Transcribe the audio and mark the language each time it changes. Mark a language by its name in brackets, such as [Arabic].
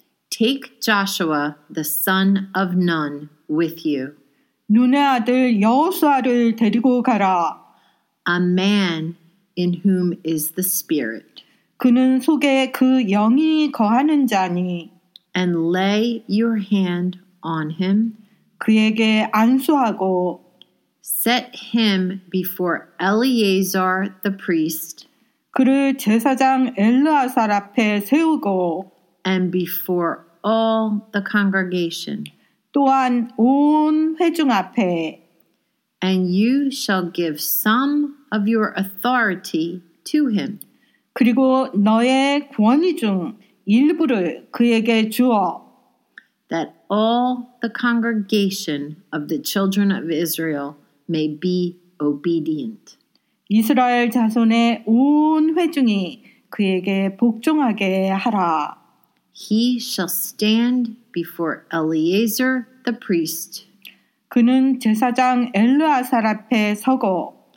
[English] Take Joshua, the son of Nun, with you. [Korean] 눈의 아들 여호수아를 데리고 가라. [English] A man in whom is the Spirit. [Korean] 그는 속에 그 영이 거하는 자니. [English] And lay your hand on him. [Korean] 그에게 안수하고. [English] Set him before Eleazar the priest. [Korean] 그를 제사장 엘르아살 앞에 세우고. [English] And before all the congregation. [Korean] 또한 온 회중 앞에. [English] And you shall give some of your authority to him. [Korean] 그리고 너의 권위 중 일부를 그에게 주어. [English] That all the congregation of the children of Israel may be obedient. [Korean] 이스라엘 자손의 온 회중이 그에게 복종하게 하라. [English] He shall stand before Eleazar the priest. [Korean] 그는 제사장 엘르아살 앞에 서고.